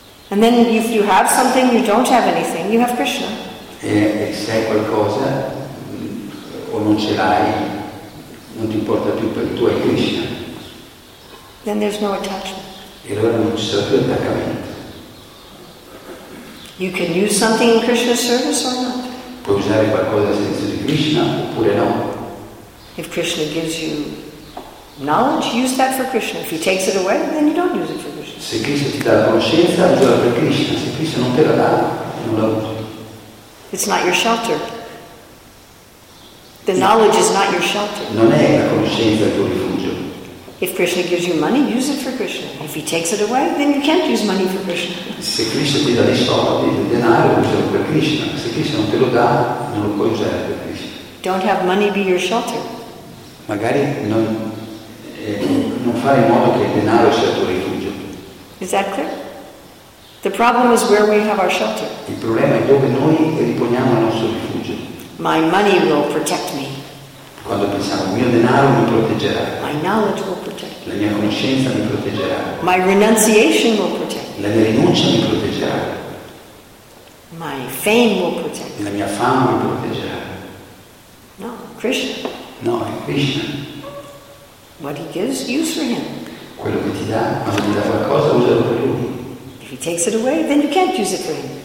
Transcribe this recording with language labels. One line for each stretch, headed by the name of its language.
English: And then if you have something, you don't have anything, you have Krishna.
Italian: E se hai qualcosa, o non ce l'hai, non ti importa più, perché tu hai Krishna.
English: Then there's no attachment.
Italian: E allora non ci sarà più attaccamento.
English: You can use something in Krishna's service or not.
Italian: Puoi usare qualcosa senza di Krishna oppure no.
English: If Krishna gives you knowledge, use that for Krishna. If he takes it away, then you don't use it for Krishna.
Italian: Se Krishna ti dà la conoscenza, usala per Krishna. Se Krishna non te la dà, non la usi.
English: It's not your shelter. The knowledge is not your shelter.
Italian: Non è la conoscenza il tuo rifugio.
English: If Krishna gives you money, use it for Krishna. If he takes it away, then you can't use money for Krishna.
Italian: Se Krishna ti dà dei soldi, del denaro, usalo per Krishna. Se Krishna non te lo dà, non lo puoi usare per Krishna.
English: Don't have money be your shelter.
Italian: Magari non, non fare in modo che il denaro sia il tuo rifugio.
English: Is that clear? The problem is where we have our shelter.
Italian: Il problema è dove noi riponiamo il nostro rifugio.
English: My money will protect me.
Italian: Quando pensiamo, il mio denaro mi proteggerà.
English: My knowledge will protect me.
Italian: La mia conoscenza mi proteggerà.
English: My renunciation will protect me.
Italian: La mia rinuncia mi proteggerà.
English: My fame will protect me.
Italian: La mia fama mi proteggerà.
English: No, Krishna.
Italian: No, è Krishna.
English: What he gives, use for him.
Italian: Quello che ti dà, quando ti dà qualcosa, usalo per lui.
English: If he takes it away, then you can't use it for him.